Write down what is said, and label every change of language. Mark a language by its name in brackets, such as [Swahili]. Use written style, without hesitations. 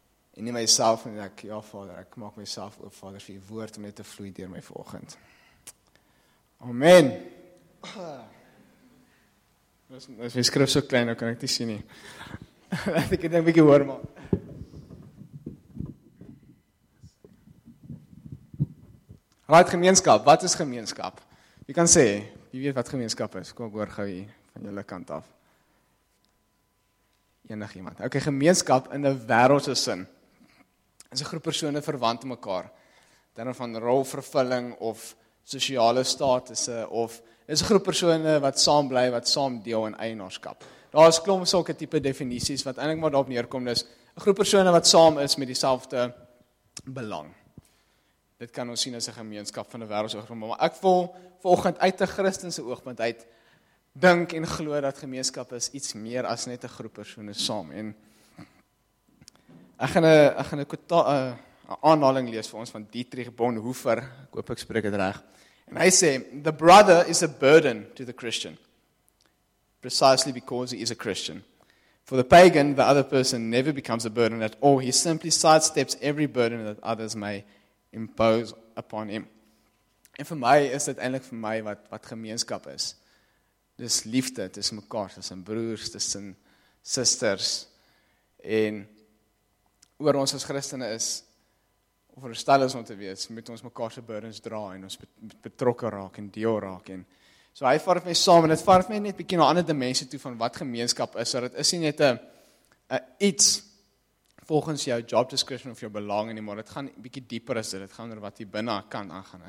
[Afrikaans] En nie myself, en ek, ja, Vader, ek maak myself oop, Vader, vir U woord om net te vloei deur my vanoggend. Amen. Is my skrif so klein, nou kan ek nie sien nie. Laat ek dit net 'n bietjie hoor, maar. Right, gemeenskap, wat is gemeenskap? Jy kan sê, jy weet wat gemeenskap is, kom ek hoor gou hier van julle kant af. Enig iemand. Ok, gemeenskap in die wêreldse sin. Is 'n groep persone verwant aan mekaar. Dan of van rolvervulling of sosiale statusse of is 'n groep persone wat saam bly, wat saam deel in eienaarskap. Daar is klomp sulke tipe definisies wat eintlik maar daarop neerkom is 'n groep persone wat saam is met dieselfde belang. Dit kan ons sien as 'n gemeenskap van 'n wêreldsoogpunt, maar ek voel vanoggend uit 'n Christense oogpunt uit dink en glo dat gemeenskap is iets meer as net 'n groep persone saam. En ek gaan 'n aanhaling lees vir ons van Dietrich Bonhoeffer. Ek hoop ek spreek dit reg. En hy sê [English] the brother is a burden to the Christian precisely because he is a Christian. For the pagan, the other person never becomes a burden at all. He simply sidesteps every burden that others may impose upon him. [Afrikaans] En vir my is dit eintlik vir my wat gemeenskap is. Dis liefde tussen mekaar, tussen broers, tussen susters. En oor ons as Christene is of verstel ons om te wees, moet ons mekaar se burdens dra en ons betrokke raak en deel raak en so hy vaar my saam en dit vaar my net bietjie na 'n ander dimensie toe van wat gemeenskap is. So dit is nie net 'n iets volgens jou job description of jou belang en nie, maar dit gaan bietjie dieper as dit. Dit gaan oor wat jy binne kan aangaan.